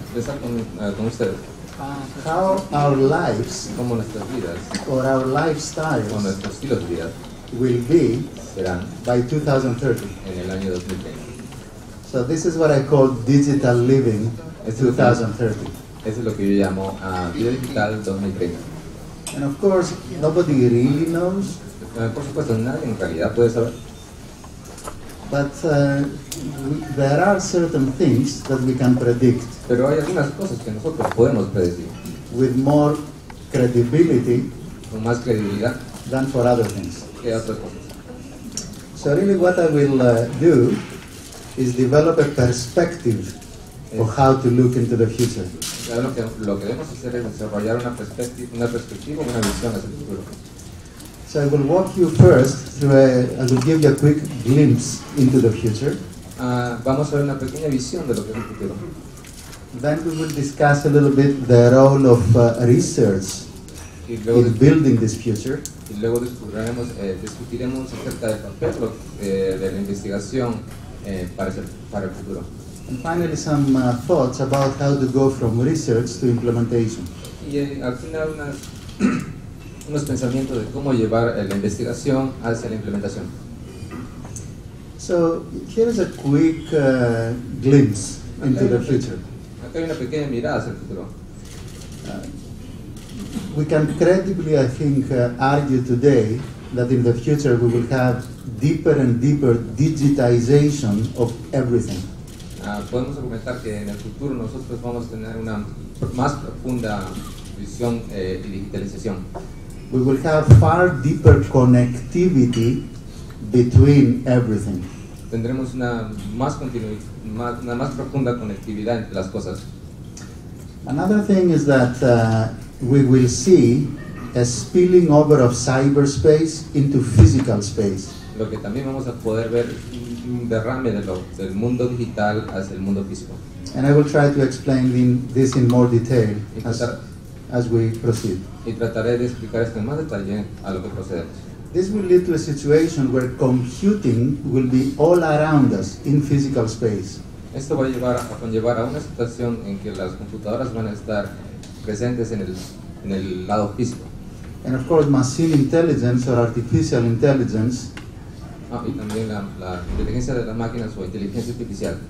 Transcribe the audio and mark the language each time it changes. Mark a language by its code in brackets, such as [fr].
[es] pensar con ustedes. [en] How our lives, [es] como nuestras vidas, [en] or our lifestyles, [es] o nuestros estilos de vida, [en] will be, [es] serán, [en] by 2030. [es] En el año 2030. [en] So this is what I call digital living. [es] Esto 2030. Eso es lo que yo llamo vida digital 2030. [en] And of course, nobody really knows. [es] Por supuesto, nadie en realidad puede saber. [en] But there are certain things that we can predict. [es] Pero hay algunas cosas que nosotros podemos predecir. [en] With more credibility. [es] Con más credibilidad. [en] Than for other things. [es] Que otras cosas. [en] So really, what I will do is develop a perspective of how to look into the future. [es] Lo que debemos hacer es desarrollar una perspectiva, una visión hacia el futuro. [en] So I will walk you first through I will give you a quick glimpse into the future. [es] Vamos a ver una pequeña visión de lo que es el futuro. [en] Then we will discuss a little bit the role of research in building this future. [es] Y luego discutiremos acerca del papel de la investigación para el futuro. [en] And finally, some thoughts about how to go from research to implementation. [es] Y al final unos pensamientos de cómo llevar la investigación hacia la implementación. [en] So, here is a quick glimpse into the future. [es] Acá hay una pequeña mirada hacia el futuro. [en] We can credibly, I think, argue today that in the future we will have deeper and deeper digitization of everything. [es] Podemos argumentar que en el futuro nosotros vamos a tener una más profunda visión y digitalización. [en] We will have far deeper connectivity between everything. [es] Tendremos una más profunda conectividad entre las cosas. [en] Another thing is that we will see a spilling over of cyberspace into physical space. [es] Lo que también vamos a poder ver un derrame del mundo digital hacia el mundo físico. [en] And I will try to explain this in more detail as we proceed. [es] Y trataré de explicar esto en más detalle a lo que procedemos. [en] This will lead to a situation where computing will be all around us in physical space. [es] Esto va a conllevar a una situación en que las computadoras van a estar presentes en el lado físico. [en] And of course, machine intelligence or artificial intelligence [es] también la inteligencia de las máquinas o inteligencia artificial.